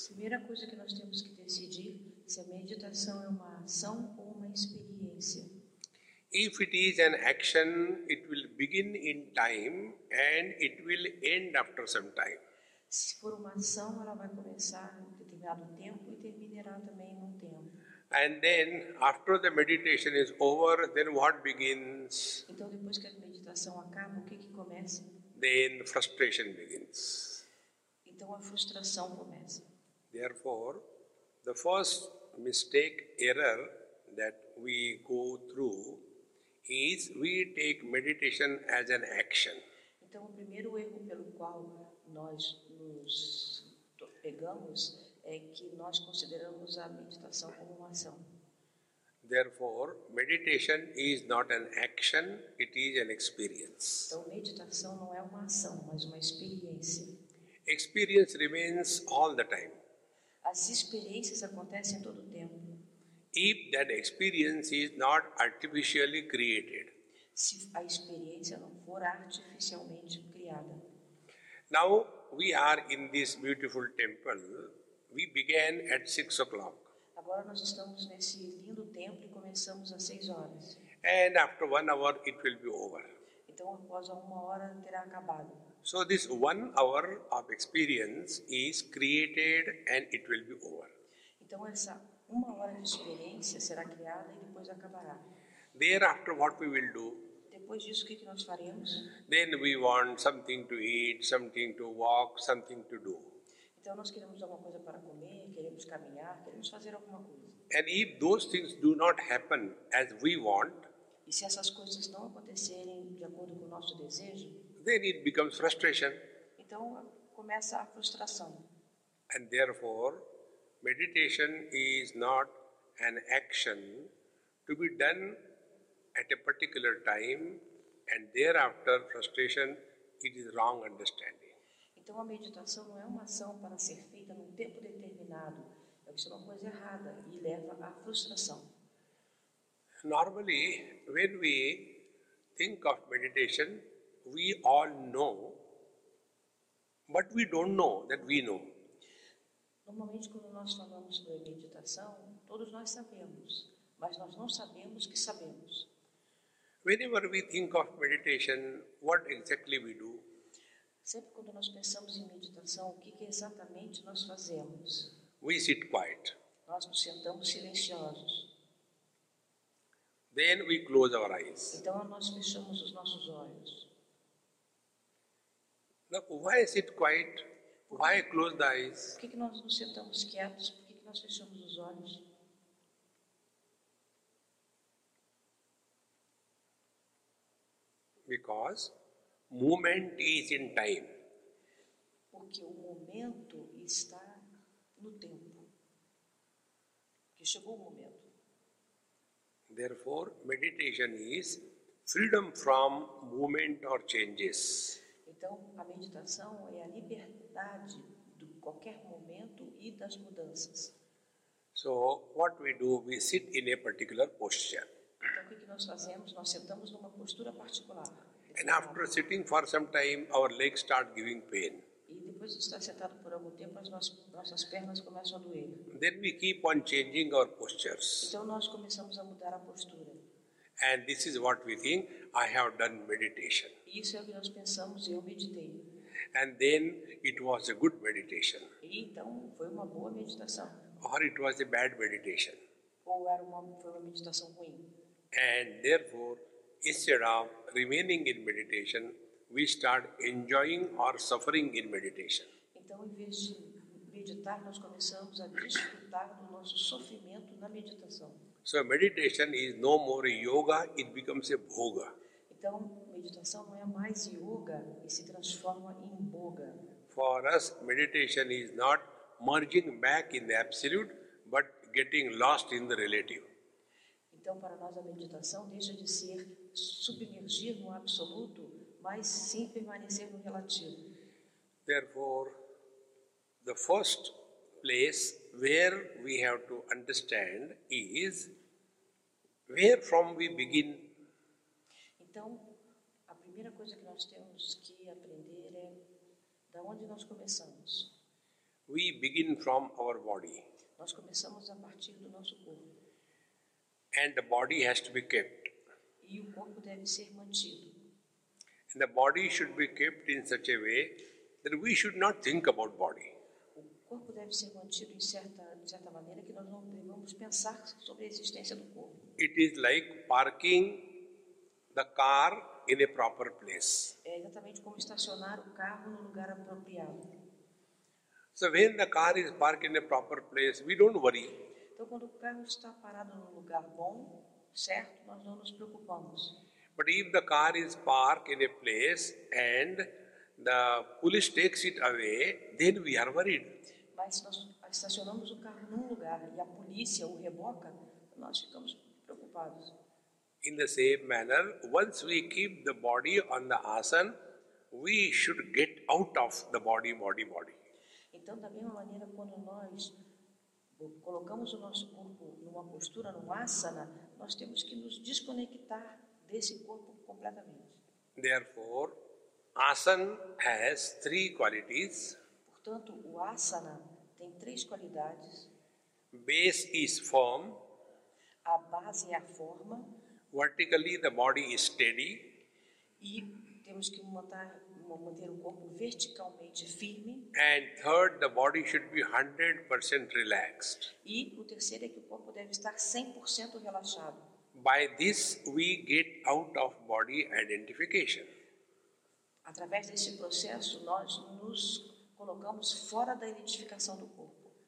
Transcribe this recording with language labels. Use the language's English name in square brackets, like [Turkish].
[Portuguese] Primeira coisa que nós temos que decidir se a meditação é uma ação ou uma experiência. [English] If it is an action, it will begin in time and it will end after some time. [Portuguese] Se for uma ação, ela vai começar em determinado tempo e terminará também num tempo. [English] And then, after the meditation is over, then what begins? [Portuguese] Então, depois que a meditação acaba, o que que começa? [English] Then frustration begins. [Portuguese] Então, a frustração começa. [English] Therefore, the first mistake, error that we go through is we take meditation as an action. [Portuguese] Então, o primeiro erro pelo qual nós nos pegamos é que nós consideramos a meditação como uma ação. [English] Therefore, meditation is not an action, it is an experience. [Portuguese] Então, meditação não é uma ação, mas uma experiência. [English] Experience remains all the time. [Portuguese] As experiências acontecem todo o tempo. [English] If that experience is not artificially created. [Portuguese] Se a experiência não for artificialmente criada. [English] Now, we are in this beautiful temple. We began at 6 o'clock. [Portuguese] Agora nós estamos nesse lindo templo e começamos às 6 horas. [English] And after 1 hour it will be over. [Portuguese] Então após uma hora terá acabado. [English] So this 1 hour of experience is created and it will be over. [Portuguese] Então essa uma hora de experiência será criada e depois acabará. [English] Thereafter what we will do? [Portuguese] Depois disso o que nós faremos? [English] Then we want something to eat, something to walk, something to do. [Portuguese] Então nós queremos alguma coisa para comer, queremos caminhar, queremos fazer alguma coisa. [English] And if those things do not happen as we want, [Portuguese] e se essas coisas não acontecerem de acordo com o nosso desejo, [English] then it becomes frustration. [Portuguese] Então começa a frustração. [English] And therefore, meditation is not an action to be done at a particular time and thereafter frustration, it is wrong understanding. [Portuguese] Então a meditação não é uma ação para ser feita num tempo determinado. Isso é uma coisa errada e leva à frustração. [English] Normally, when we think of meditation, we all know, but we don't know that we know. [Portuguese] Normalmente, quando nós falamos sobre meditação, todos nós sabemos, mas nós não sabemos que sabemos. [English] Whenever we think of meditation, what exactly we do? [Portuguese] Sempre quando nós pensamos em meditação, o que que exatamente nós fazemos? [English] We sit quiet. [Portuguese] Nós nos sentamos silenciosos. [English] Then we close our eyes. [Portuguese] Então nós fechamos os nossos olhos. [English] Now, why sit quiet? Why close the eyes? [Portuguese] Por que que nós nos sentamos quietos? Por que que nós fechamos os olhos? [English] Because movement is in time. [Portuguese] Porque o momento está no tempo. Porque chegou o momento. [English] Therefore, meditation is freedom from movement or changes. [Portuguese] Então, a meditação é a liberdade de qualquer momento e das mudanças. [English] So, what we do, we sit in a particular posture. [Portuguese] Então, o que nós fazemos? Nós sentamos numa postura particular. [English] And after sitting for some time, our legs start giving pain. [Portuguese] E depois de estar sentado por algum tempo, as nossas pernas começam a doer. [English] Then we keep on changing our postures. [Portuguese] Então nós começamos a mudar a postura. [English] And this is what we think, I have done meditation. [Portuguese] E isso é o que nós pensamos, eu meditei. [English] And then it was a good meditation. [Portuguese] E então foi uma boa meditação. [English] Or it was a bad meditation. [Portuguese] Ou foi uma meditação ruim. [English] And therefore, instead of remaining in meditation, we start enjoying or suffering in meditation. [Portuguese] Então, em vez de meditar, nós começamos a desfrutar do nosso sofrimento na meditação. [English] So, meditation is no more yoga, it becomes a bhoga. [Portuguese] Então, meditação não é mais yoga e se transforma em boga. [English] For us, meditation is not merging back in the absolute, but getting lost in the relative. [Portuguese] Então, para nós, a meditação deixa de ser submergir no absoluto, mas sim permanecer no relativo. [English] Therefore, the first place where we have to understand is where from we begin. [Portuguese] Então, a primeira coisa que nós temos que aprender é da onde nós começamos. [English] We begin from our body. [Portuguese] Nós começamos a partir do nosso corpo. [English] And the body has to be kept. [Portuguese] E o corpo deve ser mantido. [English] And the body should be kept in such a way that we should not think about body. [Portuguese] O corpo deve ser mantido em certa maneira que nós não devemos pensar sobre a existência do corpo. [English] It is like parking the car in a proper place. [Portuguese] É exatamente como estacionar o carro no lugar apropriado. [English] So when the car is parked in a proper place, we don't worry. [Portuguese] Então, quando o carro está parado num lugar bom, certo, nós não nos preocupamos. [English] But if the car is parked in a place and the police takes it away, then we are worried. [Portuguese] Mas se nós estacionamos o carro num lugar e a polícia o reboca, nós ficamos preocupados. [English] In the same manner, once we keep the body on the asana, we should get out of the body, body, body. [Portuguese] Então, da mesma maneira, quando nós colocamos o nosso corpo numa postura, num asana, nós temos que nos desconectar desse corpo completamente. [English] Therefore, asana has three qualities. [Portuguese] Portanto, o asana tem três qualidades. [English] Base is form. [Portuguese] A base é a forma. [English] Vertically, the body is steady. [Portuguese] E temos que manter o corpo verticalmente firme. [English] And third, the body should be 100% relaxed. [Portuguese] E o terceiro é que o corpo deve estar 100% relaxado. [English] By this, we get out of body identification. [Portuguese] Através desse processo, nós nos colocamos fora da identificação do corpo.